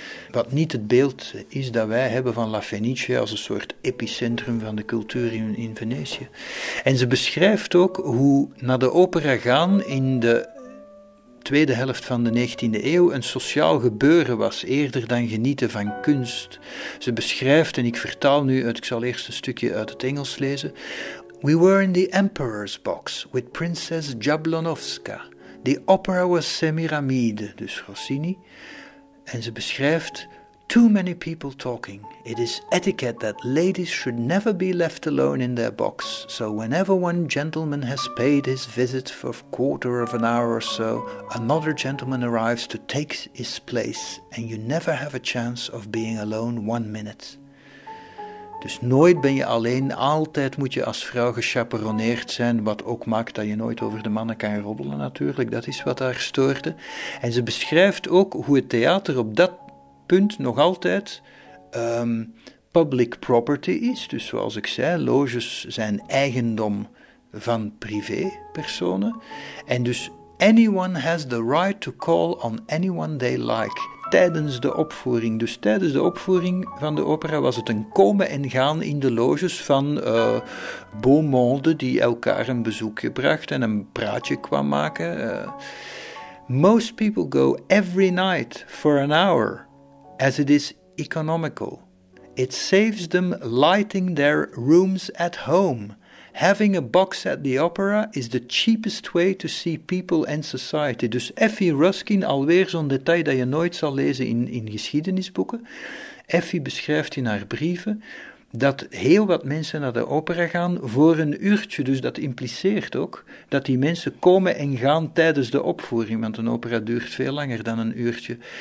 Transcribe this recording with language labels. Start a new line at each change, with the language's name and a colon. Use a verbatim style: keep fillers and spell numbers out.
Dutch: Wat niet het beeld is dat wij hebben van La Fenice als een soort epicentrum van de cultuur in, in Venetië. En ze beschrijft ook hoe naar de opera gaan in de tweede helft van de negentiende eeuw een sociaal gebeuren was, eerder dan genieten van kunst. Ze beschrijft, en ik vertaal nu, ik zal eerst een stukje uit het Engels lezen.
English: We were in the emperor's box with Princess Jablonowska. The opera was Semiramide,
Dutch: dus
English: Rossini.
Dutch: En ze beschrijft,
English: too many people talking. It is etiquette that ladies should never be left alone in their box. So whenever one gentleman has paid his visit for a quarter of an hour or so, another gentleman arrives to take his place, and you never have a chance of being alone one minute.
Dutch: Dus nooit ben je alleen, altijd moet je als vrouw gechaperoneerd zijn, wat ook maakt dat je nooit over de mannen kan roddelen natuurlijk, dat is wat haar stoorde. En ze beschrijft ook hoe het theater op dat punt nog altijd um,
English: public property
Dutch: is. Dus zoals ik zei, loges zijn eigendom van privépersonen. En dus anyone has the right to call on anyone they like. Tijdens de opvoering. Dus tijdens de opvoering van de opera was het een komen en gaan in de loges van uh, beau monde die elkaar een bezoekje bracht en een praatje kwam maken.
English: Uh, Most people go every night for an hour, as it is economical. It saves them lighting their rooms at home. Having a box at the opera is the cheapest way to see people and society.
Dutch: Dus Effie Ruskin, alweer zo'n detail dat je nooit zal lezen in, in geschiedenisboeken. Effie beschrijft in haar brieven dat heel wat mensen naar de opera gaan voor een uurtje. Dus dat impliceert ook dat die mensen komen en gaan tijdens de opvoering, want een opera duurt veel langer dan een uurtje.